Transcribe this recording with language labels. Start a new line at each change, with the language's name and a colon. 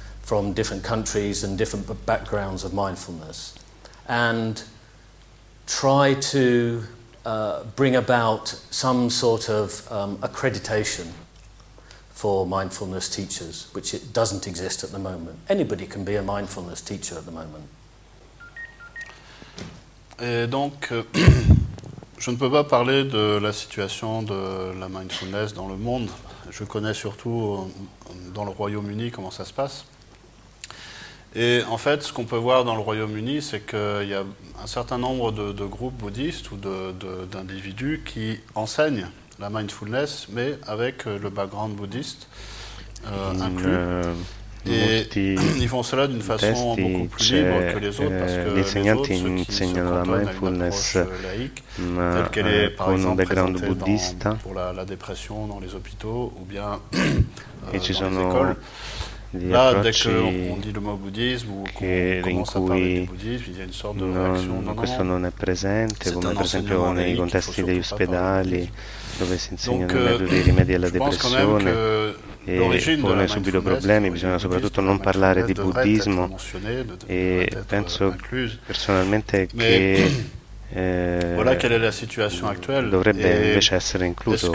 English: from different countries and different backgrounds of mindfulness, and try to bring about some sort of accreditation for mindfulness teachers, which it doesn't exist at the moment. Anybody can be a mindfulness teacher at the moment.
French: Et donc, je ne peux pas parler de la situation de la mindfulness dans le monde. Je connais surtout dans le Royaume-Uni comment ça se passe. Et en fait, ce qu'on peut voir dans le Royaume-Uni, c'est qu'il y a un certain nombre de groupes bouddhistes ou d'individus qui enseignent la mindfulness, mais avec le background bouddhiste inclus. Et ils font cela d'une façon beaucoup plus libre que les autres, parce que les autres, ceux qui se cantonnent à une approche laïque, telle qu'elle est par exemple présentée pour la dépression dans les hôpitaux ou bien dans les écoles, là, dès qu'on dit le mot bouddhisme ou qu'on commence à parler du bouddhisme, il y a une sorte de réaction. Non,
Italian: questo non è presente, come per esempio nei contesti degli ospedali, dove si insegna il metodo dei rimedi alla depressione, e pone subito problemi. Bisogna soprattutto non parlare di buddismo. E penso personalmente che dovrebbe invece essere incluso